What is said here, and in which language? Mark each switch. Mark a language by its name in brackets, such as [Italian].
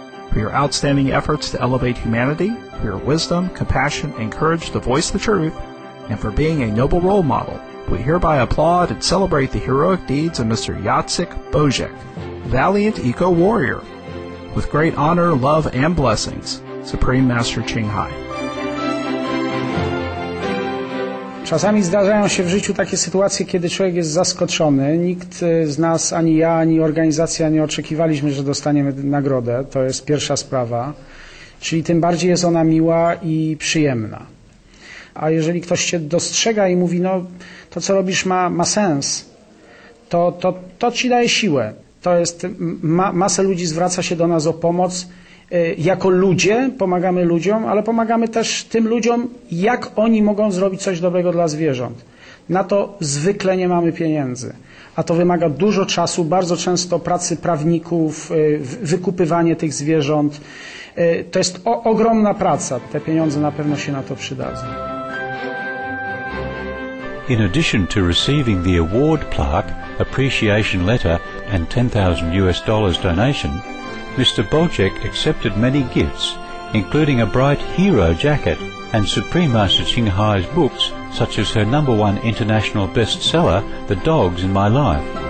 [English] For your outstanding efforts to elevate humanity, for your wisdom, compassion, and courage to voice the truth, and for being a noble role model, we hereby applaud and celebrate the heroic deeds of Mr. Jacek Bozhek, valiant eco-warrior. With great honor, love, and blessings, Supreme Master Ching Hai." [Polish] Czasami zdarzają się w życiu takie sytuacje, kiedy człowiek jest zaskoczony. Nikt z nas, ani ja, ani organizacja nie oczekiwaliśmy, że dostaniemy nagrodę. To jest pierwsza sprawa. Czyli tym bardziej jest ona miła i przyjemna. A jeżeli ktoś cię dostrzega i mówi, no to co robisz ma sens, to ci daje siłę. To jest, masę ludzi zwraca się do nas o pomoc. Jako ludzie pomagamy ludziom, ale pomagamy też tym ludziom, jak oni mogą zrobić coś dobrego dla zwierząt. Na to zwykle nie mamy pieniędzy, a to wymaga dużo czasu, bardzo często pracy prawników, wykupywanie tych zwierząt. To jest ogromna praca. Te pieniądze na pewno się na to przydadzą. [English] In addition to receiving the award plaque, appreciation letter and $10,000 donation, Mr. Bozhek accepted many gifts, including a bright hero jacket and Supreme Master Ching Hai's books, such as her number one international bestseller, The Dogs in My Life.